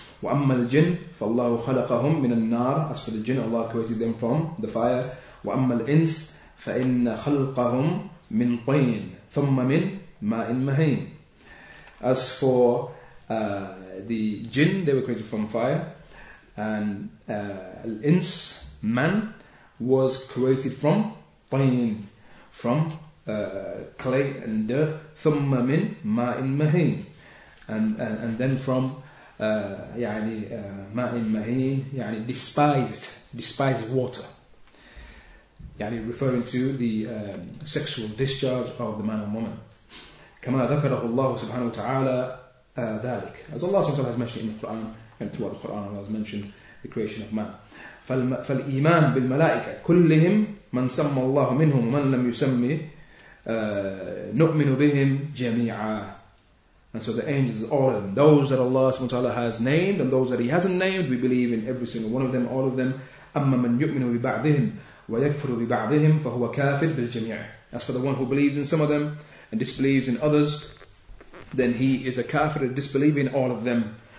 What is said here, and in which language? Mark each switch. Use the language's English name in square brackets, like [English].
[Arabic] وأما الجن فالله خلقهم من النار. [English] As for the jinn, Allah created them from the fire. [Arabic] وأما الإنس فإن خلقهم من طين ثم من ماء مهين. [English] As for the jinn, they were created from fire. And الإنس, man, was created from طين, from clay and dirt. [Arabic] ثم من ماء مهين. [English] And then from يعني [Arabic] ماء مهين, [English] يعني despised water, يعني referring to the sexual discharge of the man and woman. [Arabic] كما ذكره الله سبحانه وتعالى ذلك. [English] As Allah سبحانه وتعالى has mentioned in the Quran, and throughout the Quran Allah has mentioned the creation of man. [Arabic] فالإيمان بالملائكة كلهم من سمى الله منهم ومن لم يسمي نؤمن بهم جميعا. [English] And so the angels, all of them, those that Allah subhanahu wa ta'ala has named and those that He hasn't named, we believe in every single one of them, all of them. [Arabic] أَمَّا مَنْ يُؤْمِنُ بِبَعْضِهِمْ وَيَكْفُرُ بِبَعْضِهِمْ فَهُوَ كَافِرٌ بِالْجَمِيعِ. [English] As for the one who believes in some of them and disbelieves in others, then he is a kafir, a disbeliever in all of them.